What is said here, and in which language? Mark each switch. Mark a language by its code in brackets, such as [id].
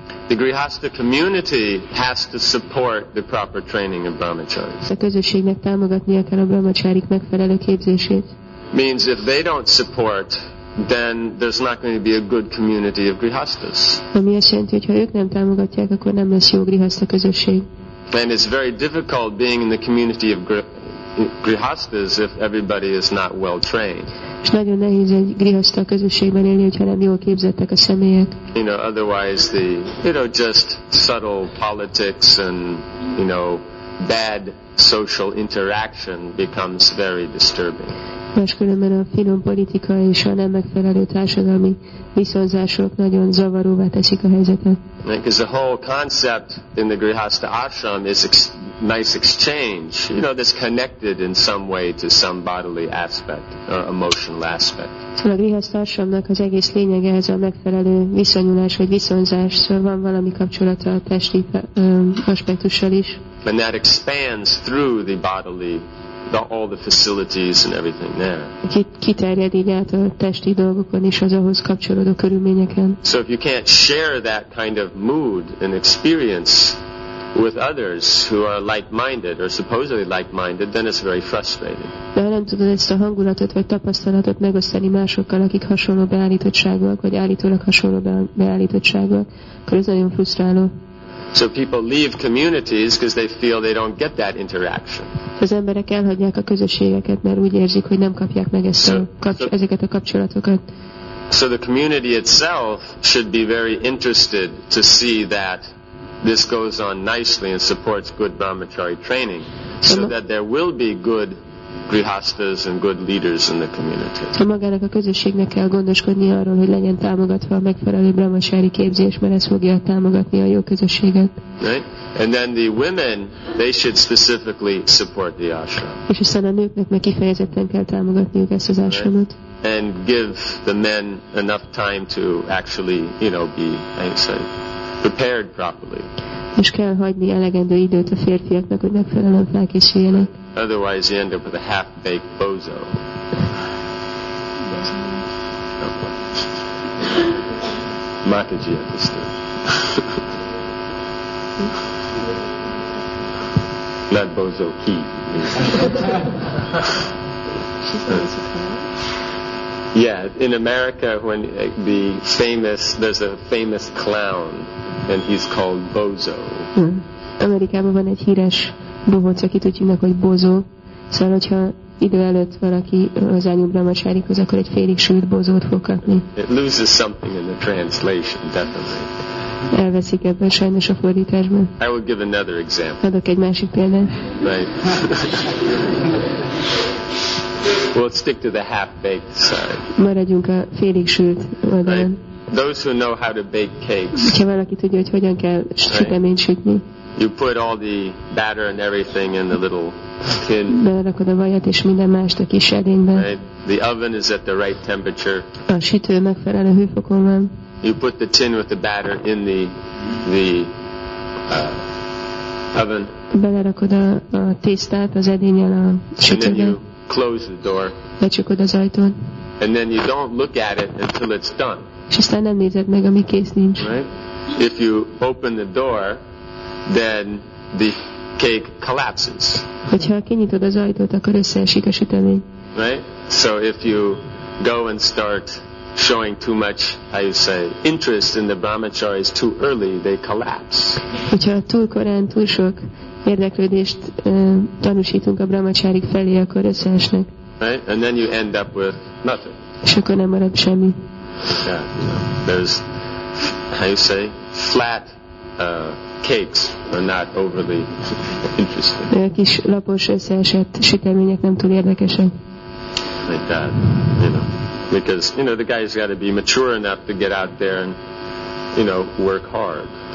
[en] The Grihastha community has to support the proper training of brahmacharis. [hu] A közösségnek támogatnia kell a brahmacharik megfelelő képzését. [en] Means if they don't support, then there's not going to be a good community of grihasthas. [hu] Ami azt jelenti, hogy ha ők nem támogatják, akkor nem lesz jó grihastha közösség. [en] And it's very difficult being in the community of grihasthas if everybody is not well trained. [hu] És nagyon nehéz egy grihastha közösségben élni, hogyha nem jól képzettek a személyek. [en] You know, otherwise the, you know, just subtle politics and, you know, bad social interaction becomes very disturbing. [hu] Máskülönben a finom politika és a nem megfelelő társadalmi viszonzások nagyon zavaróvá teszik a helyzetet. [en] Because the whole concept in the Grihastha Ashram is nice exchange, you know, that's connected in some way to some bodily aspect, emotional aspect. [hu] Szóval a Grihastha Ashramnak az egész lényege ez a megfelelő viszonyulás vagy viszonzás, szóval van valami kapcsolata a testi aspektussal is. [en] And that expands through the bodily, all the facilities and everything there. [hu] Kiterjed így át a testi dolgokon és az ahhoz kapcsolódó körülményeken. [en] So if you can't share that kind of mood and experience with others who are like-minded or supposedly like-minded, then it's very frustrating. [hu] De ha nem tudod ezt a hangulatot vagy tapasztalatot megosztani másokkal, akik hasonló beállítottságúak, vagy állítólag hasonló beállítottságúak, akkor ez nagyon frusztráló. [en] So people leave communities because they feel they don't get that interaction. [hu] Az emberek elhagyják a közösségeket, mert úgy érzik, hogy nem kapják meg ezeket a kapcsolatokat. [en] So the community itself should be very interested to see that this goes on nicely and supports good brahmachari training, so that there will be good grihasthas and good leaders in the community. [hu] A magának a közösségnek kell gondoskodni arról, hogy legyen támogatva a megfelelő brahmachari képzés, mert ez fogja támogatni a jó közösséget. [en] Right? And then the women, they should specifically support the ashram. [hu] És aztán a nőknek meg kifejezetten kell támogatniuk ezt az ashramot. [en] Right? And give the men enough time to actually, you know, be, I say, prepared properly. [hu] És kell hagyni elegendő időt a férfiaknak, hogy megfelelően felkészüljenek. [en] Otherwise you end up with a half-baked bozo. Mataji understood. Not bozo key. Yeah, in America when the famous, there's a famous clown and he's called Bozo. [hu] Amerikában van egy híres bohóc, akit úgy hívnak, hogy Bozo. Szóval, hogyha idő előtt valaki az ányú brahmacsárikhoz, akkor egy félig sült bozót fog kapni. [en] It loses something in the translation, definitely. [hu] Elveszik ebben sajnos a fordításban. [en] I will give another example. [hu] Adok egy másik példát. [en] Right. We'll stick to the half-baked side. [hu] Maradjunk a félig sült oldalon. [en] Right. Those who know how to bake cakes. [hu] Ha valaki tudja, hogy hogyan kell süteményt sütni. [en] You put all the batter and everything in the little tin. [hu] Belerakod a vajat és minden mást a kis edényben. [en] Right. The oven is at the right temperature. [hu] A sütő megfelelő hőfokon van. [en] You put the tin with the batter in the oven. [hu] Belerakod a tésztát az edényel a sütőben. [en] And then you close the door. [hu] Becsukod az ajtót. [en] And then you don't look at it until it's done. [hu] És aztán nem nézed meg, amíg kész nincs. [en] Right? If you open the door, then the cake collapses. [hu] Hogyha kinyitod az ajtót, akkor összeesik a sütemény. [en] Right? So if you go and start showing too much, how you say, interest in the brahmacharis too early, they collapse. [hu] Hogyha túl korán, túl sok érdeklődést tanúsítunk a brahmacharik felé, akkor összeesnek. [en] Right? And then you end up with nothing. [hu] És akkor nem marad semmi. [en] Yeah, there's, how you say, flat cakes are not overly interesting. [hu] A kis lapos összeesett sütemények nem túl érdekesek. [en] Like that, you know, because you know the guy's got to be mature enough to get out there and, you know, work hard.